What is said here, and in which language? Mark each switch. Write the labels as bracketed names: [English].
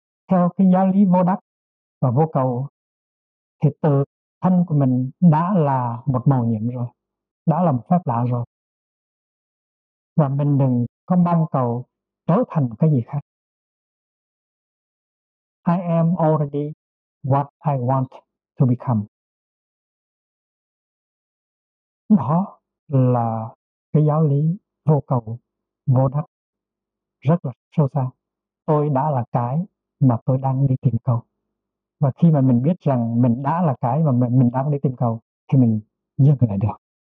[Vietnamese] Theo cái giáo lý vô đắc và vô cầu thì tự thân của mình đã là một màu nhiệm rồi, đã là một phép lạ rồi. Và mình đừng có mong cầu trở thành cái gì khác. [English] I am already what I want to become. [Vietnamese] Đó là cái giáo lý vô cầu, vô đắc, rất là sâu xa. Tôi đã là cái mà tôi đang đi tìm cầu. Và khi mà mình biết rằng mình đã là cái mà mình đang đi tìm cầu, thì mình dừng lại được.